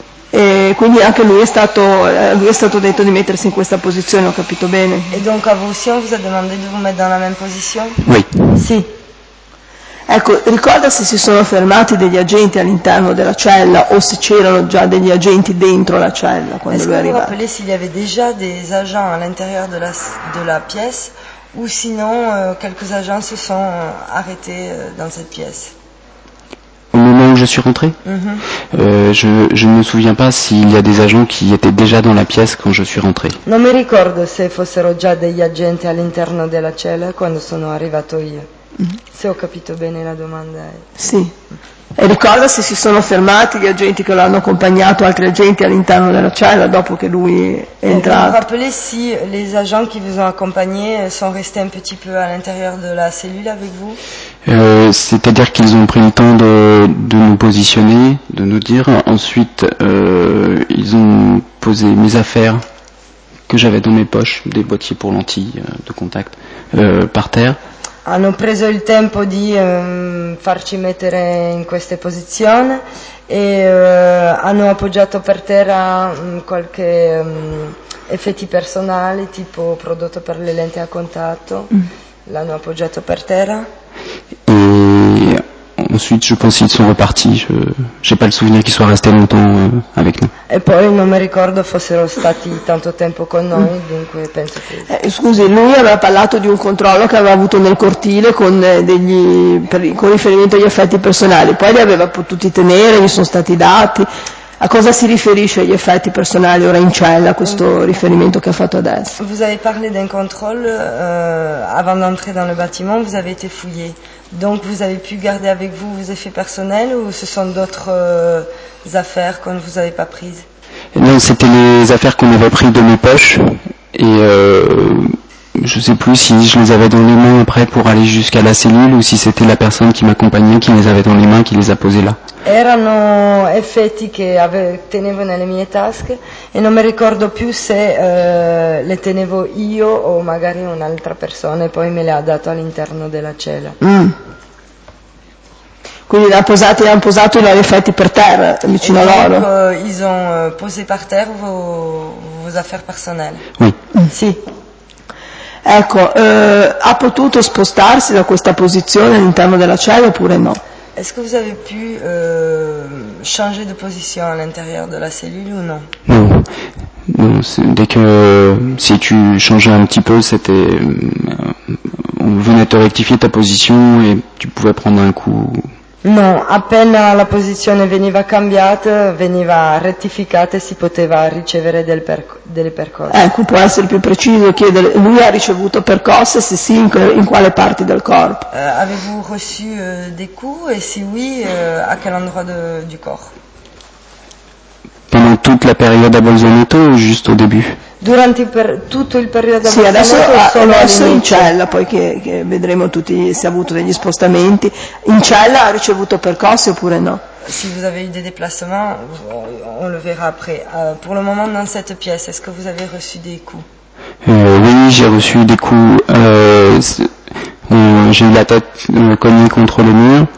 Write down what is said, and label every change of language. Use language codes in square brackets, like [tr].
[it] E quindi anche lui è stato detto di mettersi in questa posizione, ho capito bene. E dunque a voi, [fr] vous avez demandé de vous mettre dans la même position? Oui. [it] Sì. Ecco, ricorda se si sono fermati degli agenti all'interno della cella o se c'erano già degli agenti dentro la cella quando lui è arrivato. [fr] que vous rappelez s'il y avait déjà des agents à l'intérieur de la pièce ou sinon quelques agents se sont arrêtés dans cette pièce? Au moment où je suis rentré? Je ne me souviens pas s'il y a des agents qui étaient déjà dans la pièce quand je suis rentré. [it] Non mi ricordo se fossero già degli agenti all'interno della cella quando sono arrivato io. Se ho capito bene la domanda è... Sì. E ricorda se si sono fermati gli agenti che lo hanno accompagnato, altri agenti all'interno della cella dopo che lui è entrato. [fr] Vous rappelez si les agents qui vous ont accompagné sont restés un petit peu à l'intérieur de la cellule avec vous? C'est-à-dire qu'ils ont pris le temps de nous positionner, de nous dire. Ensuite, ils ont posé mes affaires que j'avais dans mes poches, des boîtiers pour lentilles de contact, par terre. [it] Hanno preso il tempo di farci mettere in queste posizioni e hanno appoggiato per terra qualche effetti personali, tipo prodotto per le lenti a contatto, l'hanno appoggiato per terra. E [fr] Ensuite, je pense qu'ils sont repartis. Je n'ai pas le souvenir qu'ils soient restés longtemps avec nous. Et puis, [it] non me ricordo fossero stati tanto tempo con noi, dunque penso che. Scusi, lui aveva parlato di un controllo che aveva avuto nel cortile con degli con riferimento agli effetti personali. Poi li aveva potuti tenere, gli sono stati dati. A cosa si riferisce gli effetti personali ora in cella, questo riferimento che ha fatto adesso? [fr] Vous avez parlé d'un contrôle avant d'entrer dans le bâtiment, vous avez été fouillé. Donc vous avez pu garder avec vous vos effets personnels ou ce sont d'autres affaires qu'on ne vous avait pas prises? Non, c'était les affaires qu'on avait prises de mes poches et je ne sais plus si je les avais dans les mains après pour aller jusqu'à la cellule ou si c'était la personne qui m'accompagnait qui les avait dans les mains qui les a posées là. [it] Erano effetti che tenevo nelle mie tasche e non mi ricordo più se le tenevo io o magari un'altra persona e poi me le ha dato all'interno della cella. Mm. Quindi le han posato i loro effetti per terra, vicino [fr] donc, [it] a loro. [fr] Ils ont posé par terre vos affaires personnelles. Oui. [it] Sì. Ecco, ha potuto spostarsi da questa posizione all'interno della cella oppure no? [fr] Est-ce que vous avez pu changer de position à l'intérieur de la cellule ou non? Non. Non, dès que si tu changeais un petit peu, c'était on venait te rectifier ta position et tu pouvais prendre un coup. [it] Non, appena la posizione veniva cambiata, veniva rettificata e si poteva ricevere delle percosse. Ecco, può essere più preciso chiedere, lui ha ricevuto percosse, se sì, in quale parte del corpo? [fr] Avez-vous reçu des coups e se oui, a quel endroit du corps? Pendant toute la période a Bolzaneto o juste au début? [it] Durante tutto il periodo sì, adesso è in cella, poi che vedremo tutti se ha avuto degli spostamenti. In cella ha ricevuto percosse oppure no? [fr] Se vous avez eu des déplacements, on le verra après. Pour le moment, dans cette pièce, est-ce que vous avez reçu des coups? Oui, j'ai reçu des coups. J'ai eu la tête cognée contre le mur.